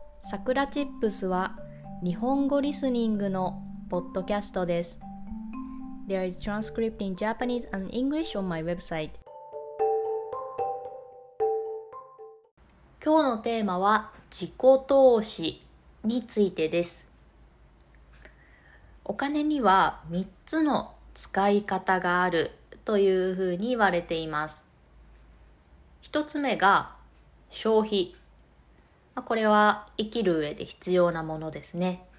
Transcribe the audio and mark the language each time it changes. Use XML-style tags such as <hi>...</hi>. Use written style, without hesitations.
<ja>さくらチップスは日本語リスニングのポッドキャストです。</ja> <en>There is transcript in Japanese and English on my website。</en> <ja>今日のテーマは自己投資についてです。お金には3つの使い方があるというふうに言われています。 1つ目が消費、これは生きる上で必要なものですね。</ja>